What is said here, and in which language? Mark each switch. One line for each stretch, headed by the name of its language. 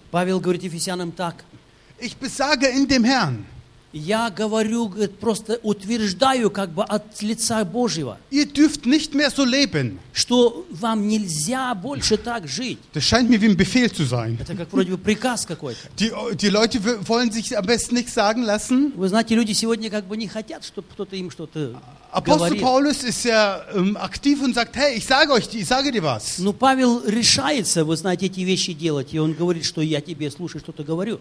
Russian: Павел говорит Ефесянам так,
German: ich besage in dem Herrn,
Russian: я говорю, просто утверждаю, как бы от лица Божьего,
German: ihr dürft nicht mehr so leben,
Russian: что вам нельзя больше так жить.
German: Das scheint mir wie ein Befehl zu sein.
Russian: Это как вроде бы приказ какой-то.
German: Die Leute wollen sich am besten nicht sagen lassen.
Russian: Вы знаете, люди сегодня как бы не хотят, чтобы кто-то им что-то
German: Апостол Paulus ist sehr aktiv und sagt, hey, ich sage dir was.
Russian: Но Павел решается, вы знаете, эти вещи делать, и он говорит, что я тебе слушаю, что-то говорю.